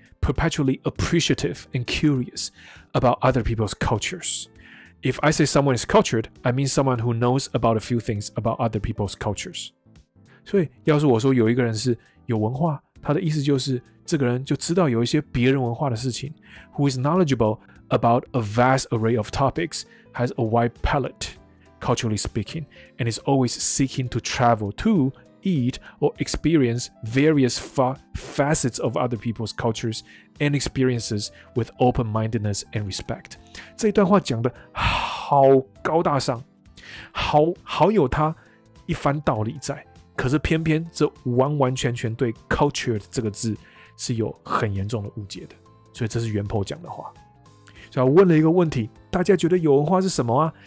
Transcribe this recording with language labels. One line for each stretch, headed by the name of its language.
English: Perpetually appreciative and curious about other people's cultures. If I say someone is cultured, I mean someone who knows about a few things about other people's cultures.
Chinese: 所以要是我说有一个人是有文化，他的意思就是这个人就知道有一些别人文化的事情。
English: Who is knowledgeable about a vast array of topics, has a wide palate, culturally speaking, and is always seeking to travel to. Eat or experience various facets of other people's cultures and experiences with open-mindedness and respect.
Chinese: 这一段话讲的好高大上，好有他一番道理在，可是偏偏这完完全全对 culture 这个字是有很严重的误解的。所以这是原 po 讲的话。所以我问了一个问题，大家觉得有文化是什么啊？